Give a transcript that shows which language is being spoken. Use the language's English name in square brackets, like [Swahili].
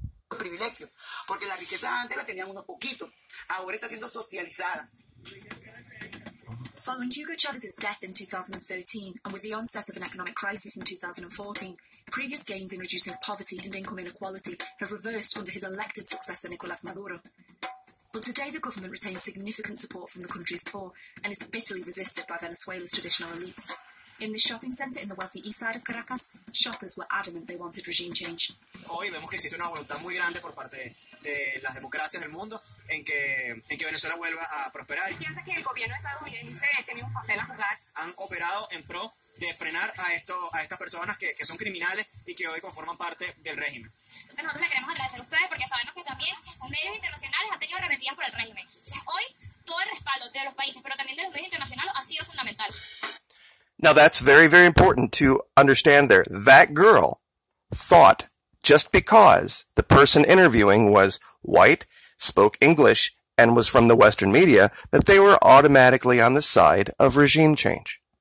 [Spanish] Privilegio, porque la riqueza antes la tenían unos poquitos. Ahora está siendo socializada. [English] Following Hugo Chavez's death in 2013 and with the onset of an economic crisis in 2014, previous gains in reducing poverty and income inequality have reversed under his elected successor, Nicolas Maduro. But today the government retains significant support from the country's poor and is bitterly resisted by Venezuela's traditional elites. In the shopping center in the wealthy east side of Caracas, shoppers were adamant they wanted regime change. [Spanish] Hoy vemos que existe una voluntad muy grande por parte de las democracias del mundo en que Venezuela vuelva a prosperar. ¿Piensa que el gobierno estadounidense tiene un papel a jugar? Han operado en pro de frenar a estas personas que son criminales y que hoy conforman parte del régimen. Entonces nosotros le queremos agradecer a ustedes porque sabemos que también medios internacionales han tenido arremetidas por el régimen. O sea, hoy todo el respaldo de los países, pero también de los medios internacionales, ha sido fundamental. [English] Now, that's very, very important to understand there. That girl thought just because the person interviewing was white, spoke English, and was from the Western media, that they were automatically on the side of regime change.